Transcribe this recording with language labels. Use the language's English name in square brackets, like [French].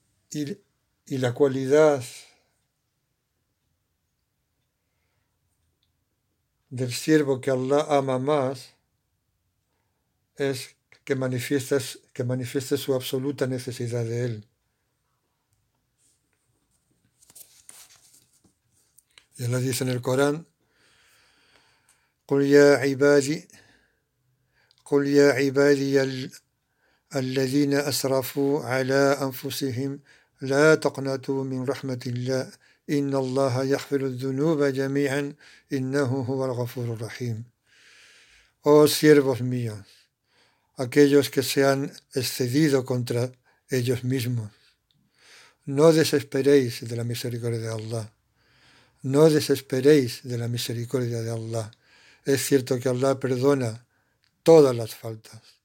[Spanish] Y la cualidad del siervo que Allah ama más es que manifieste su absoluta necesidad de él. Y Allah dice en el Corán: [Arabic] Qul ya ibadi الذين أسرفوا على أنفسهم لا تقنطوا من رحمة الله إن الله يغفر الذنوب جميعا إنه هو الغفور الرحيم. [Spanish] Oh siervos míos, aquellos que se han excedido contra ellos mismos, no desesperéis de la misericordia de Allah. No desesperéis de la misericordia de Allah. Es cierto que Allah perdona todas las faltas.